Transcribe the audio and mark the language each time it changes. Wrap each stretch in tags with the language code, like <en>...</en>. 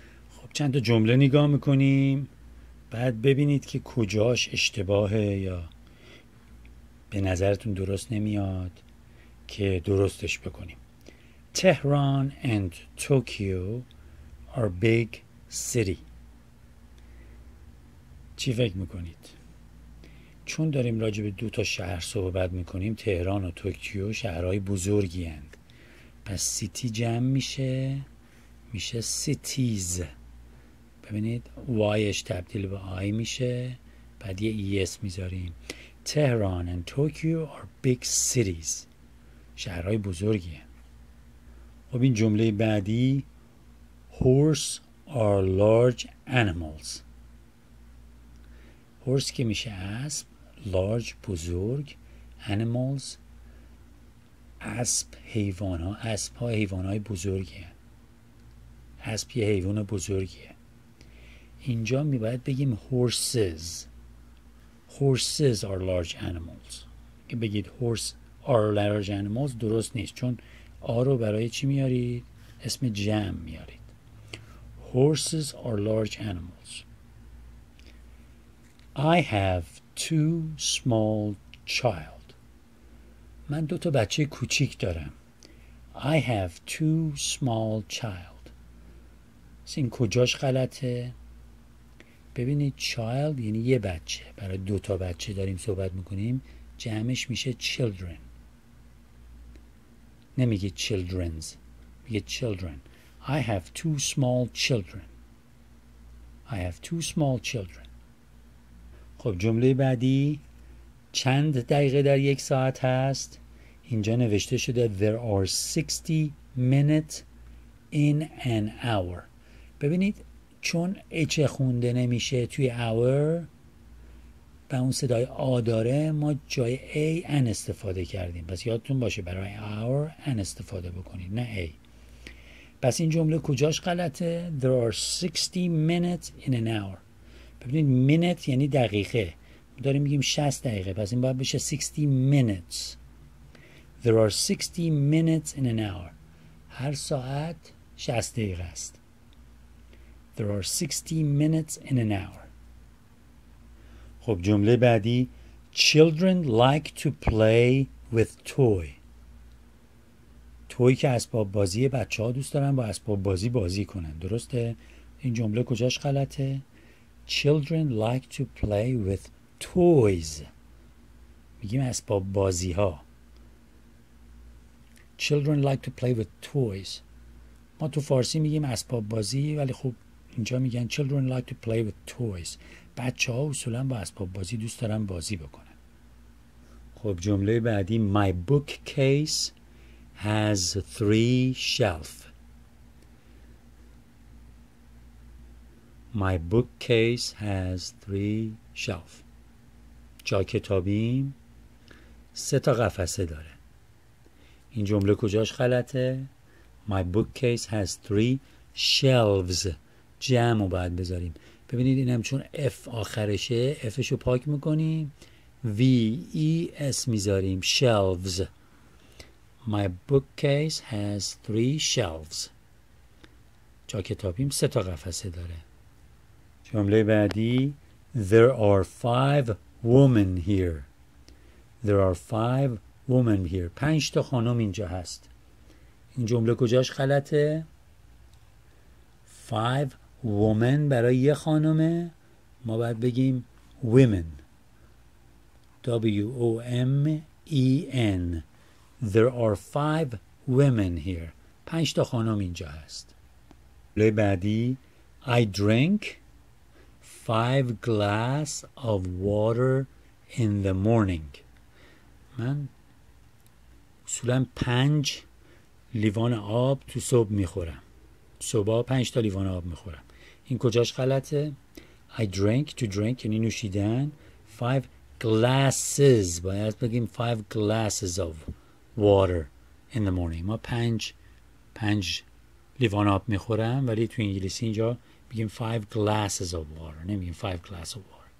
<fa>خب چند تا جمله نگاه میکنیم، بعد ببینید که کجاش اشتباهه یا به نظرتون درست نمیاد که درستش بکنیم.</fa> <en>Tehran and Tokyo are big city.</en> <fa>چی فکر میکنید؟ چون داریم راجع به دو تا شهر صحبت میکنیم، تهران و توکیو شهرهای بزرگی هستند، پس سیتی جمع میشه، میشه سیتیز. ببینید وایش تبدیل به آی میشه، بعد یه ایس میذاریم.</fa> <en>Tehran و Tokyo are big cities,</en> <fa>شهرهای بزرگی هستند. خب این جمله بعدی،</fa> <en>Horse are large animals.</en> <fa>هورس که میشه اسب، لارج بزرگ، انیمالز اسب حیوان ها، اسب ها حیوان های بزرگی هست، اسب یه حیوان بزرگی هست. اینجا می باید بگیم</fa> <en>horses، horses are large animals.</en> <fa>که بگید</fa> <en>horse are large animals</en> <fa>درست نیست، چون آ رو برای چی میارید؟ اسم جمع میارید.</fa> <en>horses are large animals. I have two small child.</en> <fa>من دو تا بچه کوچیک دارم.</fa> <en>I have two small child.</en> <fa>این کجاش غلطه؟ ببینید child یعنی یه بچه. برای دو تا بچه داریم صحبت میکنیم، جمعش میشه children. نمیگه</fa> <en>children's،</en> <fa>میگه children.</fa> <en>I have two small children. I have two small children.</en> <fa>خب جمله بعدی، چند دقیقه در یک ساعت هست؟ اینجا نوشته شده</fa> <en>there are 60 minutes in an hour.</en> <fa>ببینید چون اچ خونده نمیشه توی hour و اون صدای آ داره، ما جای a ان استفاده کردیم. پس یادتون باشه برای hour ان استفاده بکنید نه a. پس این جمله کجاش غلطه؟</fa> <en>there are 60 minutes in an hour.</en> <fa>ببینید minute یعنی دقیقه، داریم میگیم 60 دقیقه، پس این باید بشه</fa> <en>60 minutes. There are 60 minutes in an hour.</en> <fa>هر ساعت 60 دقیقه است.</fa> <en>There are 60 minutes in an hour.</en> <fa>خب جمله بعدی،</fa> <en>children like to play with toy.</en> <fa>توی که اسباب بازی، بچه ها دوست دارن با اسباب بازی بازی کنن. درسته؟ این جمله کجاش غلطه؟</fa> <en>children like to play with toys.</en> <fa>میگیم اسباب بازی ها.</fa> <en>Children like to play with toys.</en> <fa>ما تو فارسی میگیم اسباب بازی، ولی خب اینجا میگن</fa> <en>children like to play with toys.</en> <fa>بچه ها اصولا با اسباب بازی دوست دارن بازی بکنن. خب جمله بعدی،</fa> <en>my bookcase has three shelves. My bookcase has three shelves.</en> <fa>جا کتابیم سه تا قفسه داره. این جمله کجاش غلطه؟</fa> <en>My bookcase has three shelves.</en> <fa>جمع رو باید بذاریم. ببینید اینم چون F آخرشه، Fشو پاک میکنیم، V E S میذاریم، shelves.</fa> <en>My bookcase has three shelves.</en> <fa>جا کتابیم سه تا قفسه داره. جمله بعدی،</fa> <en>There are five women here. There are five woman here.</en> <fa>پنج تا خانم اینجا هست. این جمله کجاش غلطه؟</fa> <en>five woman</en> <fa>برای یه خانمه، ما باید بگیم women.</fa> <en>WOMEN. There are five women here.</en> <fa>پنج تا خانم اینجا هست. جمله بعدی،</fa> <en>I drink five glass of water in the morning.</en> <fa>من اصولا پنج لیوان آب تو صبح میخورم. صبح پنج تا لیوان آب میخورم. این کجاش غلطه؟</fa> <en>I drink،</en> <fa>to drink یعنی نوشیدن.</fa> <en>Five glasses،</en> <fa>باید بگیم</fa> <en>five glasses of water in the morning.</en> <fa>ما پنج لیوان آب میخورم، ولی تو انگلیسی اینجا بگیم</fa> <en>five glasses of water،</en> <fa>نمیگیم five glasses of water.</fa>